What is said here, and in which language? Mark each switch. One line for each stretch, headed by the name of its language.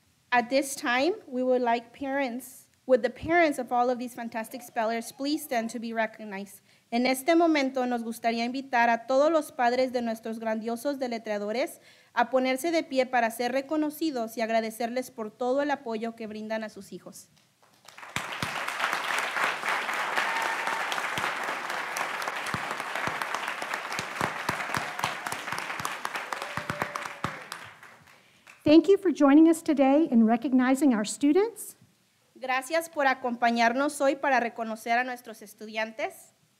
English: At this time, we would like the parents of all of these fantastic spellers, please stand to be recognized.
Spanish: En este momento, nos gustaría invitar a todos los padres de nuestros grandiosos deletreadores a ponerse de pie para ser reconocidos y agradecerles por todo el apoyo que brindan a sus hijos.
English: Thank you for joining us today in recognizing our students.
Spanish: Gracias por acompañarnos hoy para reconocer a nuestros estudiantes.